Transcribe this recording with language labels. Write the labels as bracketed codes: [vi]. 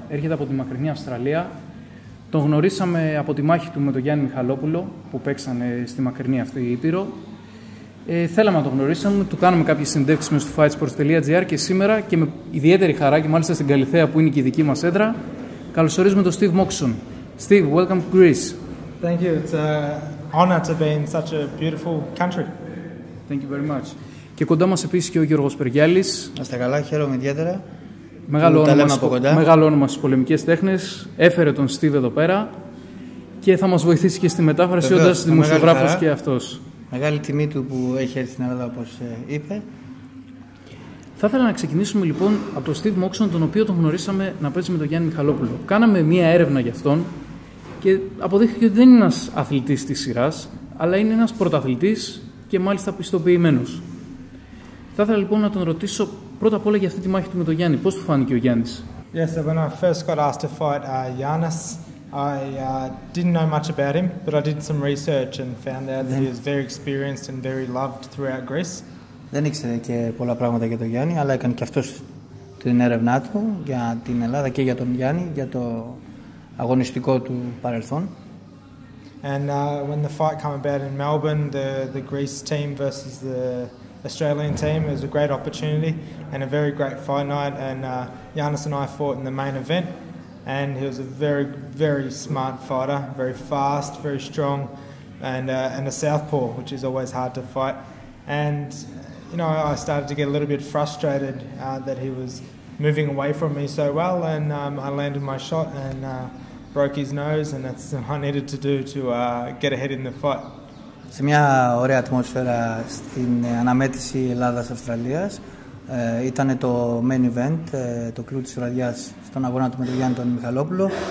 [el] Έρχεται από τη μακρινή Αυστραλία. Τον γνωρίσαμε από τη μάχη του με τον Γιάννη Μιχαλόπουλο που παίξανε στη μακρινή αυτή η Ήπειρο. Θέλαμε να τον γνωρίσουμε, του κάνουμε κάποιες συνδέξεις μέσα στο Fightsports.gr και σήμερα και με ιδιαίτερη χαρά και μάλιστα στην Καλλιθέα που είναι και η δική μας έδρα, καλωσορίζουμε τον Steve Moxon. [en] Steve, welcome to Greece. Thank you. It's an honor to be in such a beautiful country. Thank you very much. [el] Και κοντά μας επίσης και ο Γιώργος Περγιάλης. Να είστε καλά, χαίρομαι ιδιαίτερα. Μεγάλο όνομα, στις πολεμικές τέχνες. Έφερε τον Steve εδώ πέρα και θα μας βοηθήσει και στη μετάφραση, όντας δημοσιογράφος και αυτός. Μεγάλη τιμή του που έχει έρθει στην Ελλάδα, όπως είπε. Θα ήθελα να ξεκινήσουμε λοιπόν από τον Steve Moxon, τον οποίο τον γνωρίσαμε να παίζει με τον Γιάννη Μιχαλόπουλο. Κάναμε μία έρευνα για αυτόν και αποδείχθηκε ότι δεν είναι ένας αθλητής της σειράς, αλλά είναι ένας πρωταθλητής και μάλιστα πιστοποιημένος. Θα ήθελα λοιπόν να τον ρωτήσω πρώτα απ' όλα για αυτή τη μάχη του με τον Γιάννη. Πώς του φάνηκε ο Γιάννης? [en] Yes, so when I first got asked to fight Giannis, I didn't know much about him, but I did some research and found out that he was very experienced and very loved throughout Greece. [el] Δεν ήξερε και πολλά πράγματα για τον Γιάννη, αλλά έκανε και αυτός την έρευνά του για την Ελλάδα και για τον Γιάννη, για το αγωνιστικό του παρελθόν. [en] And when the fight came about in Melbourne, the Greece team versus the Australian team, it was a great opportunity and a very great fight night. And Giannis and I fought in the main event, and he was a very, very smart fighter, very fast, very strong, and a southpaw, which is always hard to fight. And you know, I started to get a little bit frustrated that he was moving away from me so well, and I landed my shot and broke his nose, and that's what I needed to do to get ahead in the fight. [el] Σε μια ωραία ατμόσφαιρα στην αναμέτρηση Ελλάδας-Αυστραλίας. Ήταν το main event, το κλου της βραδιάς στον αγώνα του με τον Γιάννη τον Μιχαλόπουλο.